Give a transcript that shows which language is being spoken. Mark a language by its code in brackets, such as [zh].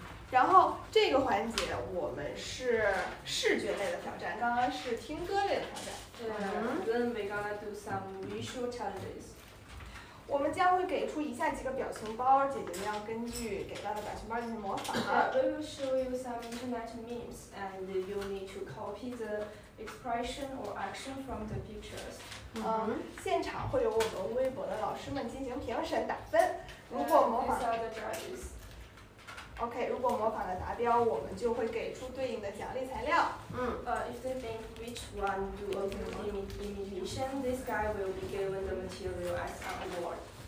[zh] 然后这个环节我们是视觉类的挑战，刚刚是听歌类的挑战。 [en] Then we gonna do some visual challenges. [zh] 我们将会给出以下几个表情包，姐姐们要根据给到的表情包进行模仿。 [en] We will show you some internet memes, and you need to copy the expression or action from the pictures. [zh] 现场会有我们微博的老师们进行评审打分。如果模仿。 [en] These are the judges. [zh] OK， 如果模仿的达标，我们就会给出对应的奖励材料。 [en] If they think which one do a good imitation, this guy will be given the material as an award.